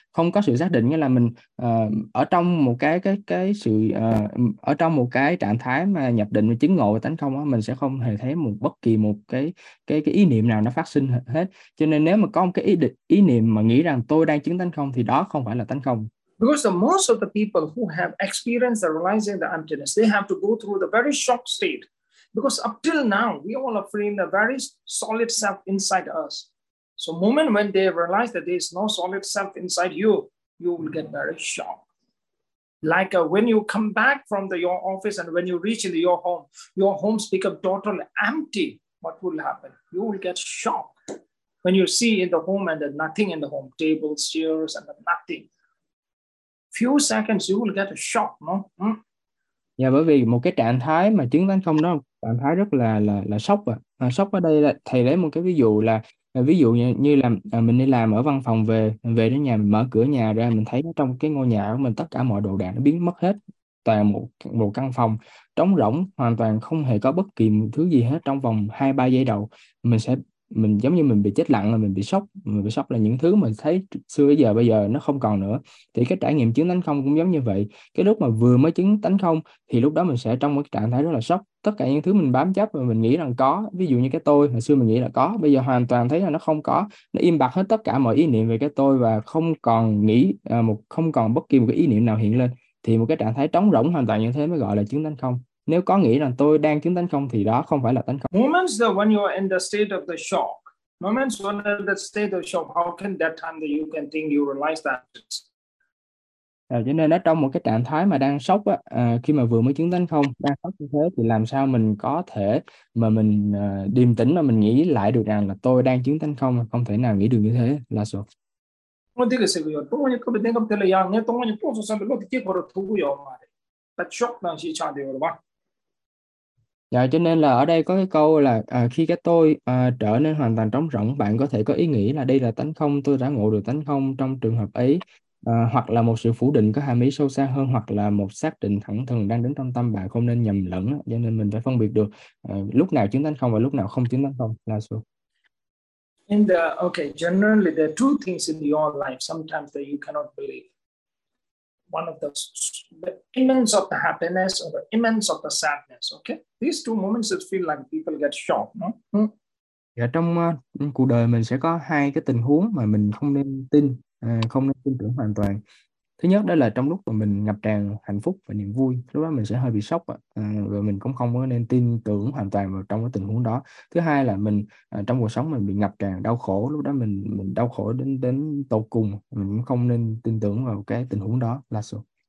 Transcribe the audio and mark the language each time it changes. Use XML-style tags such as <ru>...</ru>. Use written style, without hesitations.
<vi>Không có sự xác định nghĩa là mình ở trong một cái sự ở trong một cái trạng thái mà nhập định mà chứng ngộ tánh không á, mình sẽ không hề thấy một bất kỳ một cái ý niệm nào nó phát sinh hết. Cho nên nếu mà có một cái ý niệm mà nghĩ rằng tôi đang chứng tánh không thì đó không phải là tánh không.</vi> <en>Because the most of the people who have experienced the realizing the emptiness, they have to go through the very shock state. Because up till now, we all are feeling a very solid self inside us. So the moment when they realize that there is no solid self inside you, you will get very shocked. Like when you come back from your office and when you reach into your home becomes totally empty. What will happen? You will get shocked when you see in the home and there's nothing in the home, tables, chairs, and nothing. Few seconds you will get a shock, no?</en> <vi>Yeah, bởi vì một cái trạng thái mà chứng tánh không đó, trạng thái rất là sốc à. Sốc ở đây là thầy lấy một cái ví dụ như là mình đi làm ở văn phòng về đến nhà, mình mở cửa nhà ra, mình thấy trong cái ngôi nhà của mình tất cả mọi đồ đạc nó biến mất hết, toàn một căn phòng trống rỗng, hoàn toàn không hề có bất kỳ một thứ gì hết trong vòng 2-3 giây đầu, mình sẽ mình giống như mình bị chết lặng, là mình bị sốc, mình bị sốc là những thứ mà mình thấy xưa tới giờ bây giờ nó không còn nữa. Thì cái trải nghiệm chứng tánh không cũng giống như vậy, cái lúc mà vừa mới chứng tánh không thì lúc đó mình sẽ trong một trạng thái rất là sốc, tất cả những thứ mình bám chấp và mình nghĩ rằng có, ví dụ như cái tôi hồi xưa mình nghĩ là có, bây giờ hoàn toàn thấy là nó không có, nó im bặt hết tất cả mọi ý niệm về cái tôi và không còn nghĩ một, không còn bất kỳ một cái ý niệm nào hiện lên, thì một cái trạng thái trống rỗng hoàn toàn như thế mới gọi là chứng tánh không. Nếu có nghĩ rằng tôi đang chứng tánh không thì đó không phải là tánh không.</vi> <en>Moments that when you are in the state of the shock, moments when you are in the state of shock, how can that time that you can think you realize that?</en> <vi>Cho nên nó trong một cái trạng thái mà đang sốc á, khi mà vừa mới chứng tánh không đang sốc như thế, thì làm sao mình có thể mà mình điềm tĩnh mà mình nghĩ lại được rằng là tôi đang chứng tánh không, không thể nào nghĩ được như thế là sao? Tôi thấy cái sự việc, tôi nghĩ có bị đánh cắp tiền là nghe tôi nghĩ tôi sẽ bị lột tiền của tôi vừa mà, tại shock đang chỉ trả tiền rồi. Dạ, cho nên là ở đây có cái câu là khi cái tôi trở nên hoàn toàn trống rỗng, bạn có thể có ý nghĩ là đây là tánh không, tôi đã ngộ được tánh không trong trường hợp ấy. Hoặc là một sự phủ định có hàm ý sâu xa hơn, hoặc là một xác định thẳng thừng đang đứng trong tâm bạn, không nên nhầm lẫn. Cho nên mình phải phân biệt được lúc nào chứng tánh không và lúc nào không chứng tánh không là sự.</vi> <en>In the okay, generally there are two things in your life sometimes that you cannot believe. One of the immense of the happiness or the immense of the sadness. Okay, these two moments it feel like people get shocked. No?</en> <vi>Và trong cuộc đời mình sẽ có hai cái tình huống mà mình không nên tin, không nên tin tưởng hoàn toàn. Thứ nhất đó là trong lúc mà mình ngập tràn hạnh phúc và niềm vui, lúc đó mình sẽ hơi bị sốc, rồi mình cũng không có nên tin tưởng hoàn toàn vào trong cái tình huống đó. Thứ hai là mình trong cuộc sống mình bị ngập tràn đau khổ, lúc đó mình đau khổ đến đến tột cùng, mình cũng không nên tin tưởng vào cái tình huống đó là sao.</vi>